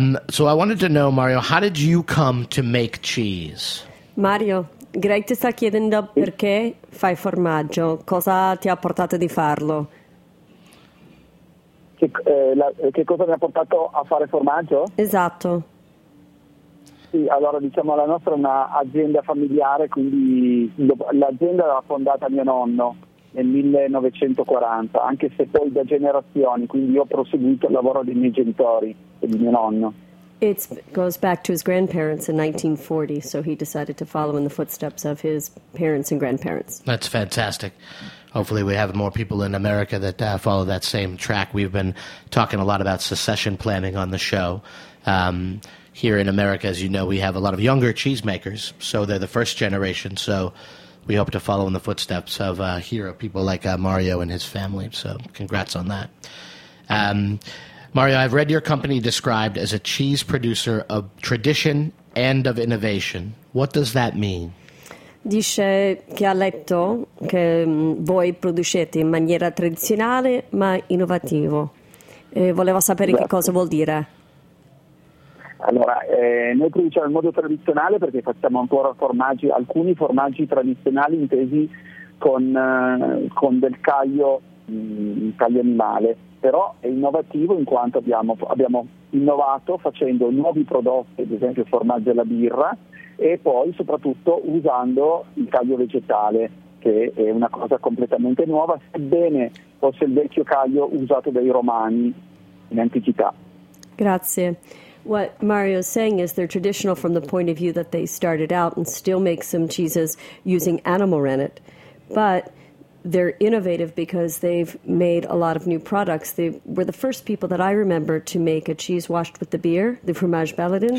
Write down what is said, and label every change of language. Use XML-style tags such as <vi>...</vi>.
<en>So I wanted to know, Mario, how did you come to make cheese?</en> <it>Mario, Greg ti sta chiedendo perché fai formaggio, cosa ti ha portato di farlo? Che cosa mi ha portato a fare formaggio? Esatto. Sì, allora diciamo la nostra è un'azienda familiare, quindi l'azienda l'ha fondata mio nonno nel 1940, anche se poi da generazioni, quindi io ho proseguito il lavoro dei miei genitori e di mio nonno.</it> <en>It goes back to his grandparents in 1940, so he decided to follow in the footsteps of his parents and grandparents. That's fantastic. Hopefully we have more people in America that follow that same track. We've been talking a lot about succession planning on the show. Here in America, as you know, we have a lot of younger cheesemakers, so they're the first generation, so we hope to follow in the footsteps of hero people like Mario and his family, so congrats on that. Mario, I've read your company described as a cheese producer of tradition and of innovation. What does that mean?</en> <it>Dice che ha letto che voi producete in maniera tradizionale ma innovativo. E volevo sapere Beh. Che cosa vuol dire. Allora, noi produciamo in modo tradizionale perché facciamo ancora formaggi, alcuni formaggi tradizionali intesi con del caglio animale. Però è innovativo in quanto abbiamo innovato facendo nuovi prodotti, ad esempio il formaggio e la birra, e poi soprattutto usando il caglio vegetale, che è una cosa completamente nuova, sebbene fosse il vecchio caglio usato dai romani in antichità. Grazie.</it> <en>What Mario is saying is they're traditional from the point of view that they started out and still make some cheeses using animal rennet, but they're innovative because they've made a lot of new products. They were the first people that I remember to make a cheese washed with the beer, the Fromage Belladin.</en>